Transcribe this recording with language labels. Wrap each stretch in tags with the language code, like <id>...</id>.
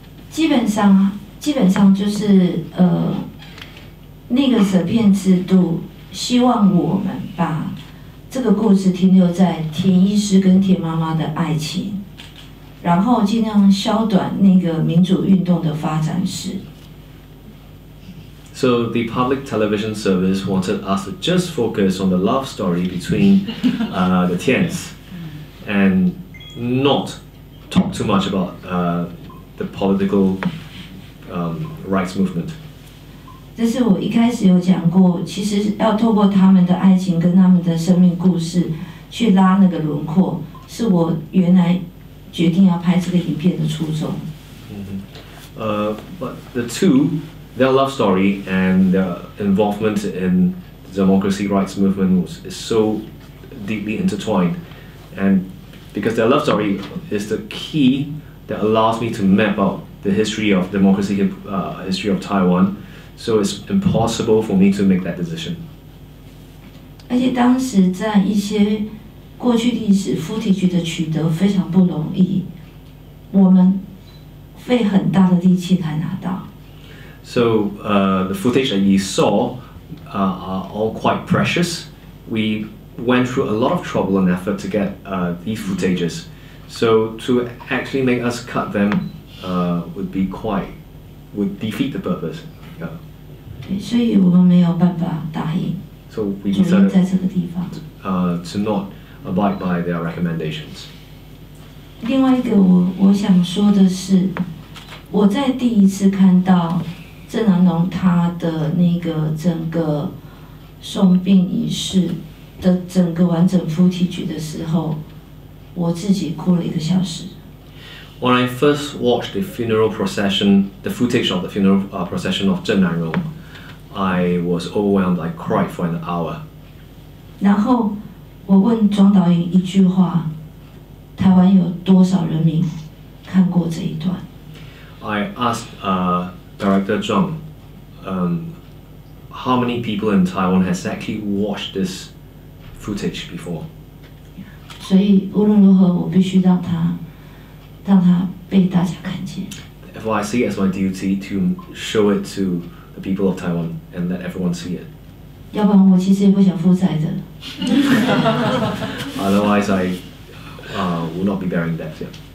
<zh>基本上就是那个审片制度，希望我们把。这个故事停留在田医师跟田妈妈的爱情，然后尽量消短那个民主运动的发展史。</zh> <en>So the public television service wanted us to just focus on the love story between the Tians and not talk too much about the political rights movement.</en> <zh>这是我一开始有讲过，其实要透过他们的爱情跟他们的生命故事去拉那个轮廓，是我原来决定要拍这个影片的初衷。</zh> <en>But the two, their love story and their involvement in the democracy rights movement is so deeply intertwined, and because their love story is the key that allows me to map out the history of democracy, history of Taiwan. So it's impossible for me to make that decision.</en> <zh>而且当时在一些过去历史 footage 的取得非常不容易，我们费很大的力气才拿到。</zh> <en>So the footage that you saw are all quite precious. We went through a lot of trouble and effort to get these footages. So to actually make us cut them would defeat the purpose.</en> <zh>所以我们没有办法答应。</zh> <en>So we decided</en> <zh>在这个地方</zh> <en>to not abide by their recommendations.</en> <zh>另外一个我想说的是，我在第一次看到郑南榕他的那个整个送殡仪式的整个完整 footage 的时候，我自己哭了一个小时。</zh> <en>When I first watched the funeral procession, the footage of the funeral procession of Zheng Nanrong, I was overwhelmed. I cried for an hour.</en> <zh>然后我问庄导演一句话：台湾有多少人民看过这一段</zh> <en>？I asked Director Juang, how many people in Taiwan has actually watched this footage before?</en> <zh>所以无论如何，我必须让他。让他被大家看见。</zh> <en>I see as my duty to show it to the people of Taiwan and let everyone see it.</en> <zh>要不然我其实也不想负债的。</zh> <en>Otherwise, I will not be bearing debt. Yeah.</en>